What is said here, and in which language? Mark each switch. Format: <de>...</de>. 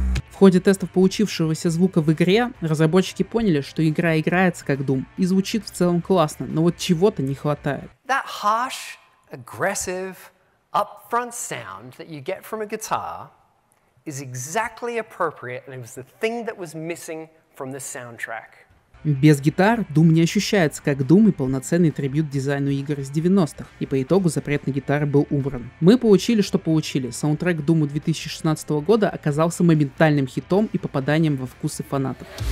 <ru>В ходе тестов получившегося звука в игре, разработчики поняли, что игра играется как Doom и звучит в целом классно, но вот чего-то не хватает.</ru> <en>That harsh, aggressive, upfront sound that you get from a guitar is exactly appropriate, and it was the thing that was missing from the soundtrack.</en> <ru>Без гитар Doom не ощущается как Doom и полноценный трибют дизайну игр из 90-х, и по итогу запрет на гитары был убран. Мы получили, что получили. Саундтрек Doom 2016 года оказался моментальным хитом и попаданием во вкусы фанатов.</ru>